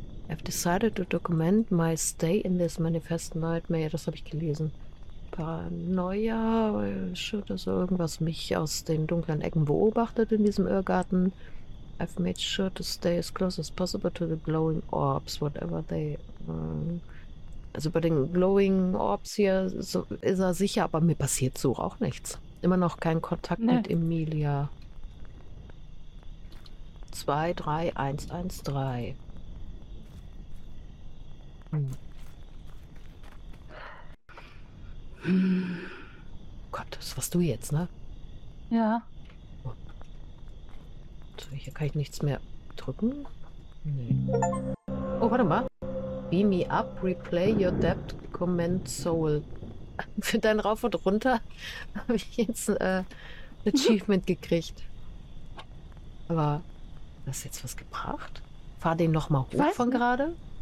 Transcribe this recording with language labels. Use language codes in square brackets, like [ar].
[en] I've decided to document my stay in this manifest nightmare. [de] Das habe ich gelesen. Paranoia. Schon, dass irgendwas mich aus den dunklen Ecken beobachtet in diesem Irrgarten. [en] I've made sure to stay as close as possible to the glowing orbs. Whatever they... [de] Also bei den Glowing Orbs hier so ist er sicher, aber mir passiert so auch nichts. Immer noch kein Kontakt mit Emilia. 2, 3, 1, 1, 3. Gott, das warst du jetzt, ne? Ja. So, hier kann ich nichts mehr drücken. Nee. Oh, warte mal. [en] Beam me up, replay your debt, command soul. [de] Für dein Rauf und Runter habe ich jetzt ein Achievement gekriegt. Aber hast du jetzt was gebracht? Fahr den nochmal hoch von gerade?